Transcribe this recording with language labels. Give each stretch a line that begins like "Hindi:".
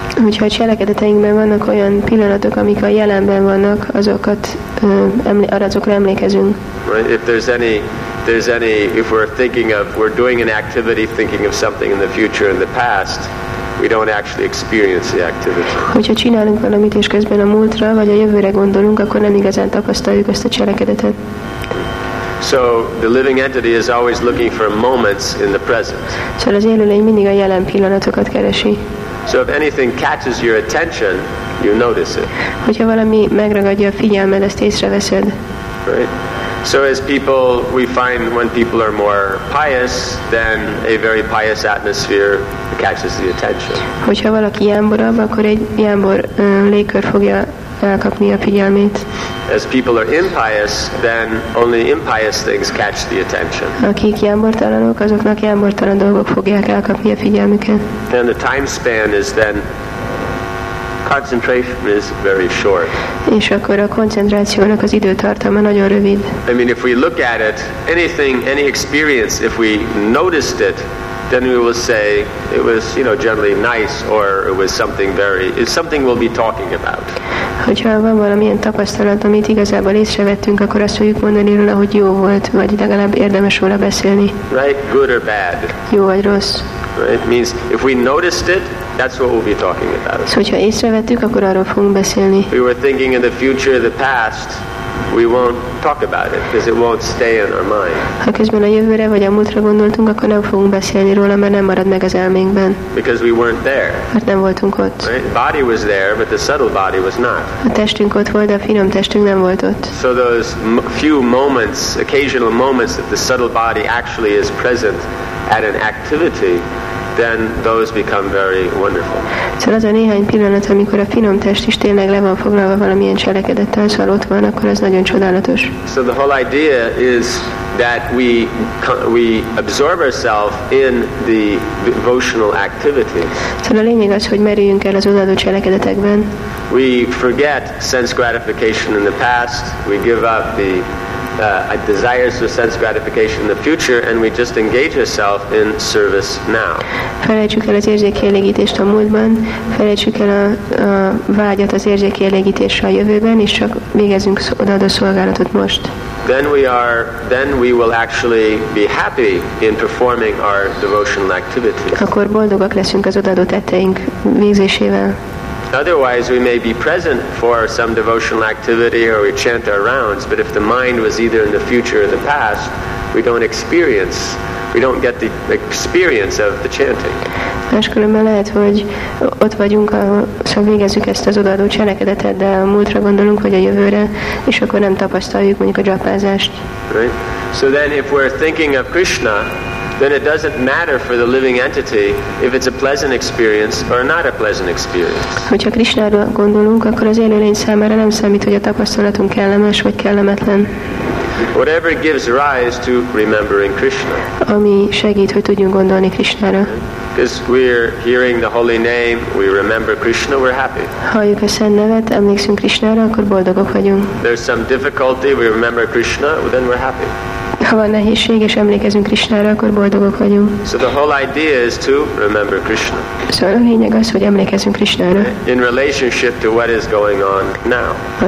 Hungarian: Hogyha a cselekedeteinkben vannak olyan pillanatok, amik a jelenben vannak, azokat azokra emlékezünk.
English: Right? If there's any, if we're thinking of, we're doing an activity, thinking of something in the future and the past, we don't actually experience the activity.
Hungarian: Hogyha csinálunk valamit és közben a múltra vagy a jövőre gondolunk, akkor nem igazán tapasztaljuk ezt a cselekedetet.
English: So the living entity is always looking for moments in the present.
Hungarian: Szóval az élőlény mindig a jelen pillanatokat keresi.
English: So if anything catches your attention, you notice it.
Hungarian: Hogyha valami megragadja a figyelmed, azt észreveszed.
English: Right. So as people, we find when people are more pious, then a very pious atmosphere catches the attention.
Hungarian: Hogyha valaki jámborabb, akkor egy jámbor légkör fogja elkapni a figyelmét.
English: As people are impious, then only impious things catch the attention.
Hungarian: Akik jámbortalanok, azoknak jámbortalan dolgok fogják elkapni a figyelmüket.
English: Then the time span is then concentration is very short.
Hungarian: És akkor a koncentrációnak az időtartama nagyon rövid.
English: I mean, if we look at it, anything, any experience, if we noticed it, then we will say it was, you know, generally nice, or it was something very, it's something we'll be talking about.
Hungarian: Hogyha van valamilyen tapasztalat, amit igazából észrevettünk, akkor azt fogjuk mondani róla, hogy jó volt, vagy legalább érdemes róla beszélni.
English: Right? Good or bad.
Hungarian: Jó vagy rossz.
English: Right? Means if we noticed it, that's what we'll be talking about.
Hungarian: Szóval, hogyha észrevettük, akkor arról fogunk beszélni.
English: We were thinking in the future, the past, we won't talk about it because it won't stay in our mind.
Hungarian: Ha közben a jövőre vagy a múltra gondoltunk, akkor nem fogunk beszélni róla, mert nem marad meg az elménkben.
English: Because we weren't there.
Hungarian: Mert nem voltunk ott.
English: Right? Body was there, but the subtle body was not.
Hungarian: A testünk ott volt, de a finom testünk nem volt ott.
English: So those few moments, occasional moments that the subtle body actually is present at an activity, then those become very wonderful.
Hungarian: Szóval az a néhány pillanat, amikor a finom test is tényleg le van foglalva valamilyen cselekedettel, szóval ott van, akkor az nagyon csodálatos.
English: So the whole idea is that we absorb ourselves in the devotional activities.
Hungarian: Szóval a lényeg az, hogy merüljünk el az odaadó cselekedetekben.
English: We forget sense gratification in the past, we give up the desires for sense gratification in the future, and we just engage ourselves in service now.
Hungarian: Felejtsük el az érzékelégítést a múltban, felejtsük el a vágyat az érzékelégítésre a jövőben, és csak végezzünk odaadó szolgálatot most.
English: Then we will actually be happy in performing our devotional activities.
Hungarian: Akkor boldogak leszünk az odaadó tetteink végzésével.
English: Otherwise, we may be present for some devotional activity or we chant our rounds, but if the mind was either in the future or the past, we don't experience we don't get the experience of the chanting.
Hungarian: Máskülönben lehet, hogy ott vagyunk, szóval végezzük ezt az odaadó cselekedetet, de a múltra gondolunk, vagy a jövőre, és akkor nem tapasztaljuk mondjuk a japázást.
English: Right? So then if we're thinking of Krishna, then it doesn't matter for the living entity if it's a pleasant experience or not a pleasant experience.
Hungarian: Hogyha Krishnára gondolunk, akkor az élőlény számára nem számít, hogy a tapasztalatunk kellemes vagy kellemetlen.
English: Whatever gives rise to remembering Krishna.
Hungarian: Ami segít, hogy tudjunk gondolni Krishnára.
English: Because we're hearing the holy name, we remember Krishna, we're happy.
Hungarian: Halljuk a szent nevet, emlékszünk Krishnára, akkor boldogok vagyunk.
English: There's some difficulty, we remember Krishna, then we're happy.
Hungarian: Ha van nehézség és emlékezünk Krishnára, akkor boldogok vagyunk.
English: So the whole idea is to remember Krishna.
Hungarian: Szóval a lényeg az, hogy emlékezünk Krishnára.
English: In relationship to what is going on now.